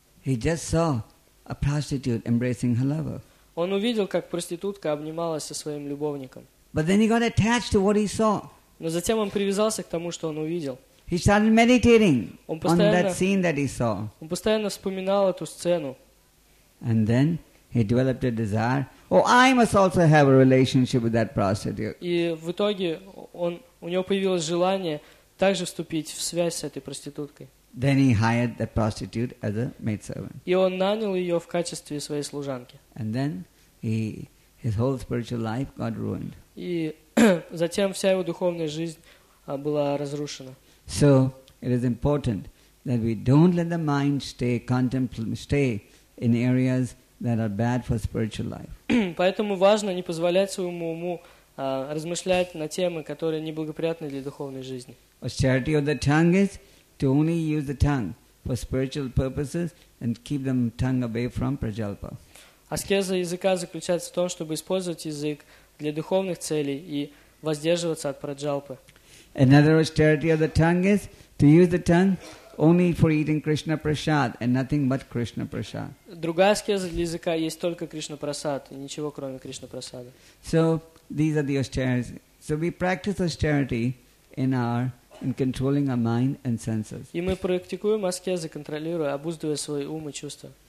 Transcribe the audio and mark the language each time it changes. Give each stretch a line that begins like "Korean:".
English: He just saw a prostitute embracing her lover.
Russian: Он увидел, как проститутка обнималась со своим любовником.
English: But then he got attached to what he saw.
Russian: Но затем он привязался к тому, что он увидел.
English: He started meditating on that scene that he saw.
Russian: Он постоянно вспоминал эту сцену.
English: And then he developed a desire. Oh, I must also have a relationship with that prostitute.
Russian: И в итоге у него появилось желание также вступить в связь с этой проституткой.
English: Then he hired that prostitute as a maidservant.
Russian: И он нанял ее в качестве своей служанки.
English: And then his whole spiritual life got ruined.
Russian: И затем вся его духовная жизнь была разрушена.
English: So it is important that we don't let the mind stay in areas that are bad for spiritual life.
Russian: Поэтому важно не позволять своему уму размышлять на темы, которые неблагоприятны для духовной жизни.
English: Austerity of the tongue is to only use the tongue for spiritual purposes and keep the tongue away from prajalpa.
Russian: Аскеза языка заключается в том, чтобы использовать язык для духовных целей и воздерживаться от праджалпы.
English: Another austerity of the tongue is to use the tongue only for eating Krishna prasad and nothing but Krishna prasad.
Russian: Другая аскеза для языка есть только Кришна прасад и ничего кроме Кришна прасада.
English: So these are the austerities. So we practice austerity in controlling our mind and senses.
Russian: И мы практикуем аскезы, контролируя, обуздывая свои умы и чувства.